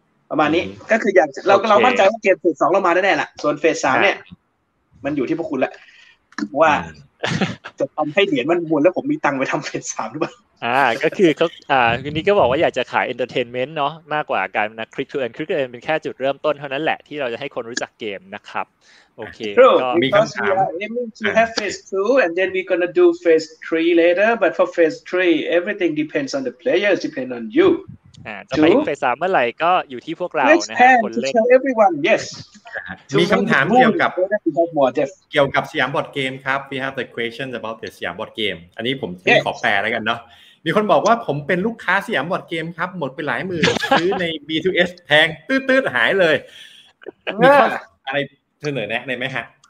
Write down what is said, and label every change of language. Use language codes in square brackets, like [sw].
[th] ประมาณนี้ก็คืออยากเรามั่นใจว่าเกมเฟส2เรามาแน่ๆล่ะส่วนเฟส3เนี่ยมันอยู่ที่พวกคุณแหละว่าจะทำให้เหรียญมันมวลแล้วผมมีตังค์ไปทำเฟส3หรือเปล่า ก็คือเค้าคือนี่ก็บอกว่าอยากจะขายเอนเตอร์เทนเมนต์เนาะมากกว่าการนะคลิกทูเอ็นคลิกเอ็นเป็นแค่จุดเริ่มต้นเท่านั้นแหละที่เราจะให้คนรู้จักเกมนะครับโอเค ก็มีคำถาม [en] aiming to have phase 2 and then we're gonna do phase 3 later but for phase 3 everything depends on the players depend on you [th] จะไปเฟส3เมื่อไหร่ก็อยู่ที่พวกเรานะคนเล่น [en] Let's tell everyone yes [th] มีคำถามเกี่ยวกับสยามบอร์ดเกมครับ [en] we have the question about the [th] สยามบอร์ดเกมอันนี้ผมที่ขอแปลแล้วกันเนาะมีคนบอกว่าผมเป็นลูกค้าสยามบอร์ดเกมครับหมดไปหลายหมื่นซื้อใน B2S แพงตื้อๆหายเลยมีข้ออะไรเสนอแนะได้มั้ยฮะ